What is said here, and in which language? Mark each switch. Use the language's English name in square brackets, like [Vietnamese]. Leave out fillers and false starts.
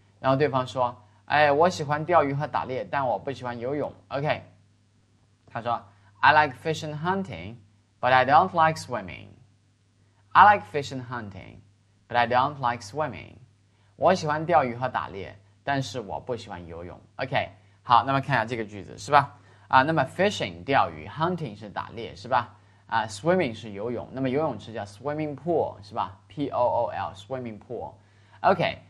[Chinese] 然后对方说：“哎，我喜欢钓鱼和打猎，但我不喜欢游泳。 [English] ”OK， [Chinese] 他说：“ [English] I like fish and hunting, but I don't like swimming. I like fish and hunting, but I don't like swimming. [Chinese] 我喜欢钓鱼和打猎，但是我不喜欢游泳。 ”OK，好，那么看一下这个句子是吧？那么 fishing 钓鱼，hunting 是打猎是吧？swimming 是游泳，那么游泳池叫 swimming pool 是吧？pool swimming pool。OK。